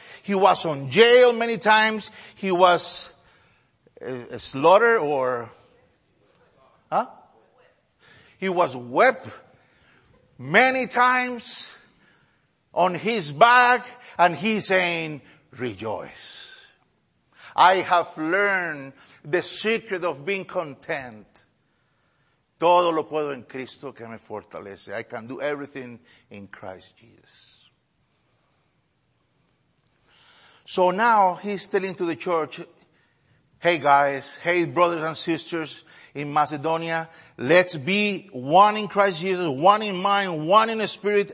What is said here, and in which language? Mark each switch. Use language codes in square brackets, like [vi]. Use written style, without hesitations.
[en] He was on jail many times. He was a slaughter or, huh? He was whipped many times on his back, and he's saying, rejoice. I have learned the secret of being content. [es] Todo lo puedo en Cristo que me fortalece. [en] I can do everything in Christ Jesus. So now he's telling to the church, hey guys, hey brothers and sisters in Macedonia, let's be one in Christ Jesus, one in mind, one in spirit.